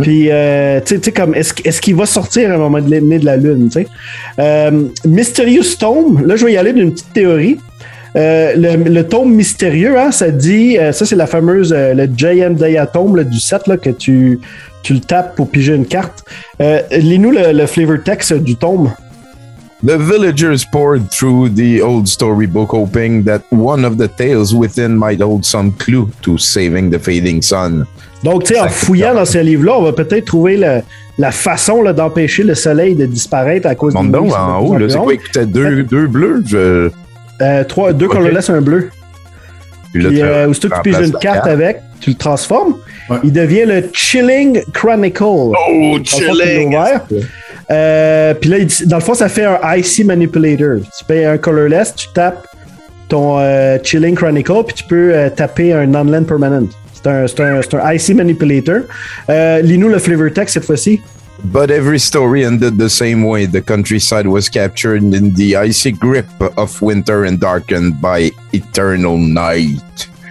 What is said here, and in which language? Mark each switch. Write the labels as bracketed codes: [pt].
[fr] Puis, tu sais, comme, est-ce qu'il va sortir à un moment donné de la lune, tu sais? Mysterious Tome, là, je vais y aller d'une petite théorie. Le tome mystérieux, hein, ça dit, ça, c'est la fameuse, le J.M. Daya Tome là, du 7, là, que tu le tapes pour piger une carte. Lis-nous le flavor text du tome. [en] The villagers poured through the old storybook, hoping that one of the tales within might hold some clue to saving the fading sun. [fr] Donc, tu sais, en fouillant dans ce livre-là, on va peut-être trouver la façon là, d'empêcher le soleil de disparaître à cause du. Non, en haut, là, c'est quoi? Écoutez, deux bleus. Deux okay. Colorless, un bleu. Puis aussitôt que tu pises une carte avec, tu le transformes. Ouais. Il devient le Chilling Chronicle. Oh, Chilling! Puis là, dans le fond, ça fait un IC Manipulator. Tu payes un colorless, tu tapes ton Chilling Chronicle, puis tu peux taper un non-land permanent. C'est un IC Manipulator. Lis-nous le flavor text cette fois-ci. [en] But every story ended the same way. The countryside was captured in the icy grip of winter and darkened by eternal night.